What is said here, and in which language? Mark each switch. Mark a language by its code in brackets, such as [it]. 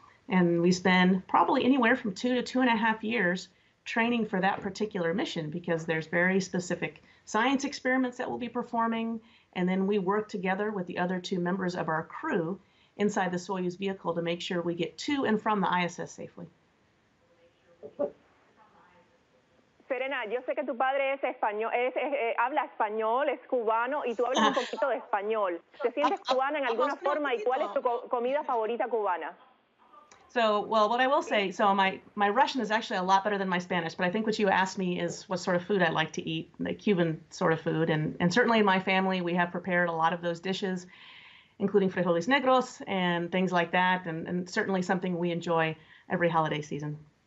[en] And we spend probably anywhere from 2 to 2.5 years training for that particular mission because there's very specific science experiments that we'll be performing. And then we work together with the other two members of our crew inside the Soyuz vehicle to make sure we get to and from the ISS safely. [es] Serena, yo sé que tu padre es español, habla español, es cubano, y tú hablas un poquito de español. ¿Te sientes cubana en alguna forma? ¿Y cuál es tu comida favorita cubana? [en] So, well, what I will say, so my Russian is actually a lot better than my Spanish, but I think what you asked me is what sort of food I like to eat, the Cuban sort of food. And certainly in my family, we have prepared a lot of those dishes, including frijoles negros and things like that, and certainly something we enjoy every holiday season.